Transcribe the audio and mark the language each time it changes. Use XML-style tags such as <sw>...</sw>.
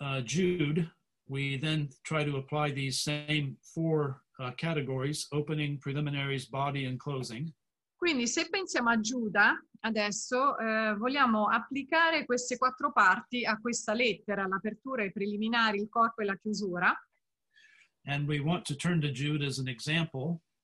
<en>Jude, we then try to apply these same four categories, opening, preliminaries, body, and closing.</en> <it>Quindi se pensiamo a Giuda, adesso vogliamo applicare queste quattro parti a questa lettera, l'apertura, i preliminari, il corpo e la chiusura.</it> <en>And we want to turn to Jude as an example.</en>